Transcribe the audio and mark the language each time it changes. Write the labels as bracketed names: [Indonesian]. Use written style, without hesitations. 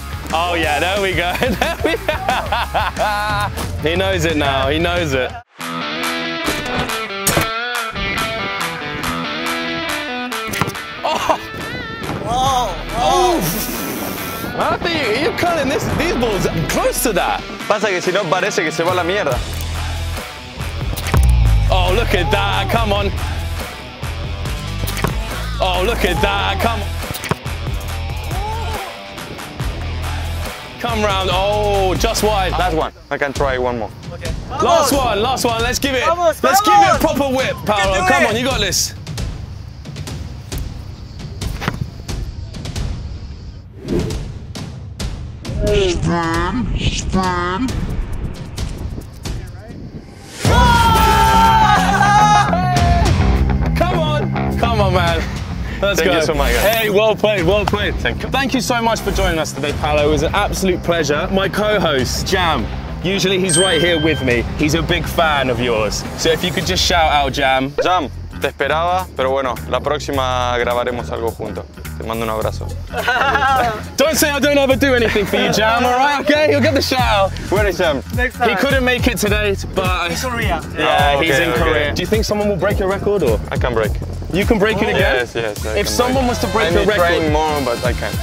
[English] Oh, yeah, there we go. He knows it now. He knows it. Oh! Oh! I think you're cutting these balls close to that. [Spanish] Pasa que si no parece que se va la mierda. [English] Oh, look at that. Come on. Oh, look at that. Come on. Come round, oh, just wide. Last one, I can try one more. Okay. Last one, let's give it. [Spanish] Vamos, [English] let's [Spanish] vamos. [English] Give it a proper whip, Paulo. Come it. On, you got this. Spam. Come on, man. Let's Thank go. You so much. Hey, well played, well played. Thank you. Thank you so much for joining us today, Paulo. It was an absolute pleasure. My co-host, Jam, usually he's right here with me. He's a big fan of yours. So if you could just shout out, Jam. [Spanish] Jam, te esperaba, pero bueno, la próxima grabaremos algo juntos. Te mando un abrazo. [English] Don't say I don't ever do anything for you, Jam, all right? Okay, you'll get the shout. Where is Jam? Next time. He couldn't make it today, but... He's in Korea. Yeah, oh, okay, he's in Korea. Do you think someone will break your record, or...? I can break. You can break it again? Yes, yes. If someone was to break your record... I need to train more, but I can.